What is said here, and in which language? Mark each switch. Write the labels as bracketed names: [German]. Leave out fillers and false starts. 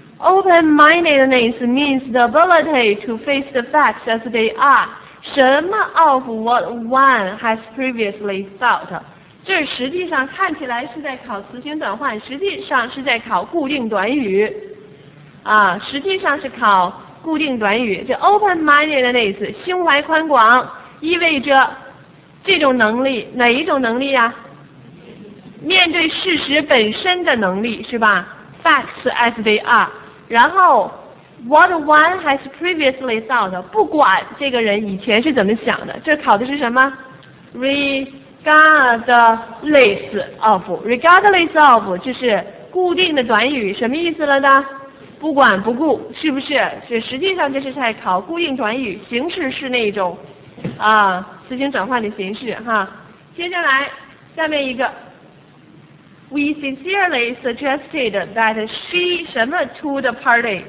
[English] Open-mindedness means the ability to face the facts as they are， [Chinese] 什么 [English] of what one has previously thought。 [Chinese] 这实际上看起来是在考词形转换，实际上是在考固定短语啊，实际上是考固定短语。这 open-mindedness 胸怀宽广意味着这种能力，哪一种能力啊？面对事实本身的能力，是吧？ [English] facts as they are。 [Chinese] 然后 [English] what one has previously thought， [Chinese] 不管这个人以前是怎么想的，这考的是什么？ [English] Regardless of [Chinese] 就是固定的短语，什么意思了呢？不管不顾，是不是？是，实际上这是在考固定短语，形式是那种啊词形转换的形式哈。接下来下面一个 [English] We sincerely suggested that she [Chinese] 什么 [English] to the party.